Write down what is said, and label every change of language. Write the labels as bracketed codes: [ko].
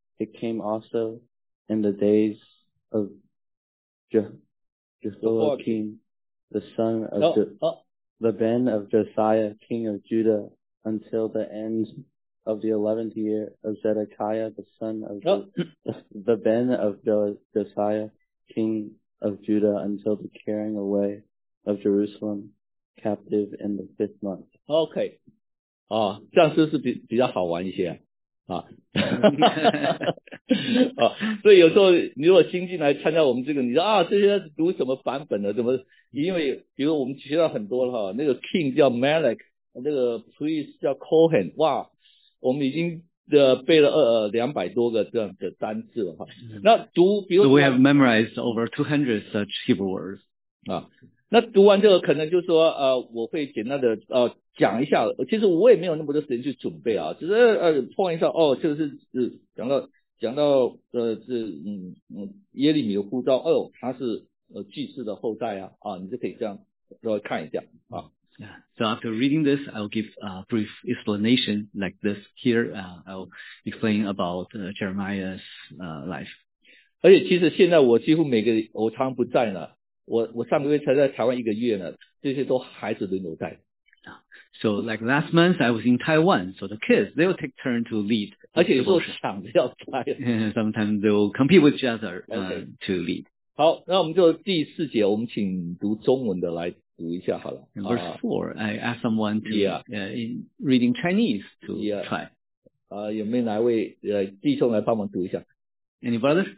[en] It came also in the days of Jehoiakim, the son of the Ben of Josiah, king of Judah, until the end of the 11th year of Zedekiah, the son of the Ben of Josiah, king of Judah, until the carrying away of Jerusalem. Captive in the fifth month. Okay. [zh] 啊，这样是不是比较好玩一些啊？啊，啊，所以有时候你如果新进来参加我们这个，你说啊，这些读什么版本的？怎么？因为比如我们学到很多了哈，那个 king 叫 Malek， 那个 priest 叫 Cohen， 哇，我们已经背了200多个这样的单字了哈。那读，比如、 [en] so、we have memorized over 200 such Hebrew words. 啊。 [zh] 那读完这个可能就说我会简单的讲一下，其实我也没有那么多时间去准备啊，只是碰一下，哦，这个是讲到是耶利米的呼召，哦，他是祭司的后代啊，啊，你就可以这样稍微看一下啊。 [en] So after reading this, I'll give a brief explanation like this here. I'll explain about Jeremiah's life. [zh] 而且其实现在我几乎每个我常不在呢。我上个月才在台湾一个月呢，这些都孩子轮流带。 [en] So like last month I was in Taiwan, so the kids they will take turn to lead. [zh] 而且有时候抢着要带。 [en] Sometimes they will compete with each other、 okay. to lead. [zh] 好，那我们就第四节，我们请读中文的来读一下好了。 [en] Verse four,、I asked someone to、 yeah. In reading Chinese to、 yeah. try. [zh] 有没有哪位弟兄来帮忙读一下 [en] ？Any brother?